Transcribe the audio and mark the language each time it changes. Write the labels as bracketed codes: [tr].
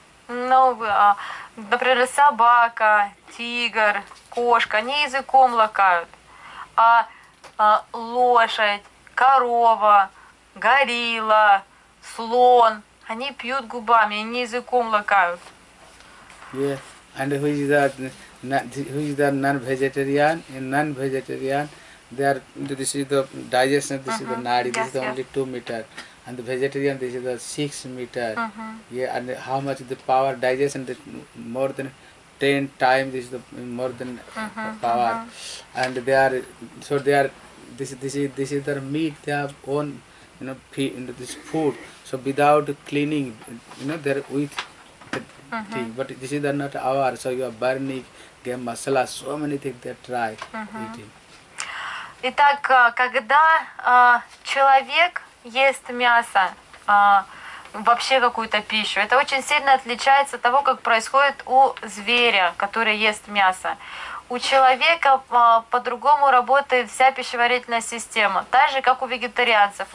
[ru] Ну, например, собака, тигр, кошка, они языком лакают. А лошадь, корова, горилла, слон, они пьют губами, они языком лакают. [en] Yeah, and who is the non-vegetarian? In non-vegetarian, this is the digestion, this is the nadi, this is the only 2 meters. And the vegetarian, this is the 6 meter. Yeah, and how much the power digestion? The more than 10 times. This is the more than power. And they are so they are. This is their meat. They have own, you know, this food. So without cleaning, you know, they're with the thing. But this is not our, so you are burning game masala, so many things they try eating. [ru] Итак, когда человек ест мясо, вообще какую-то пищу, это очень сильно отличается от того, как происходит у зверя, который ест мясо. У человека по-другому работает вся пищеварительная система, так же, как у вегетарианцев.